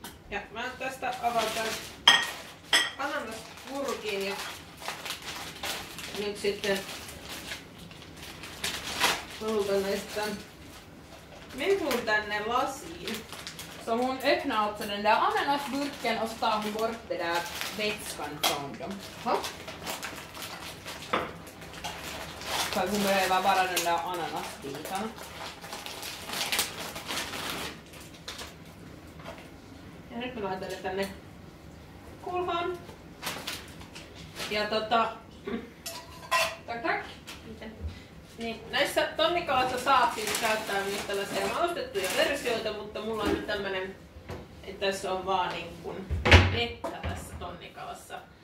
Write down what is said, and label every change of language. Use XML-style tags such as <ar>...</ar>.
<fi>Ja mä tästä avataan ananas purkiin ja nyt sitten laitan mehun tänne lasiin.</fi> <sv>Så hon öppnar alltså den där ananasburken och så tar hon bort den där vätskan från dem. Så hon behöver bara den där ananasbitan.</sv> <fi>Ja nyt mä laitan tänne kulhaan. Ja tota...</fi> <sv>Tak.</sv> <fi>Niin, näissä tonnikalassa saa siis käyttää myös tällaisia maustettuja versioita, mutta mulla on nyt tämmönen, että tässä on vaan niin kuin vettä tässä tonnikalassa.</fi>